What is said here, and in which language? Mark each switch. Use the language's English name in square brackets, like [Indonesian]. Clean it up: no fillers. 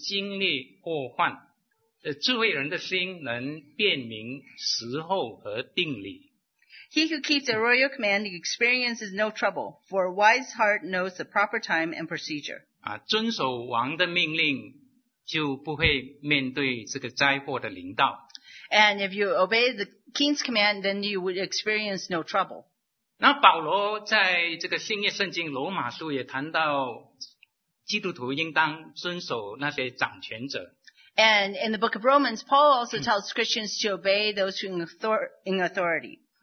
[Chinese] 那凡遵守命令的必不经历祸患, 智慧人的心能辨明时候和定理。 [English] He who keeps a royal command experiences no trouble, for a wise heart knows the proper time and procedure. [Chinese] 遵守王的命令就不会面对这个灾祸的临到。 [English] And if you obey the king's command, then you would experience no trouble. [Chinese] 那保罗在这个新约圣经罗马书也谈到基督徒应当遵守那些掌权者。 [English] And in the book of Romans, Paul also tells Christians to obey those who are in authority.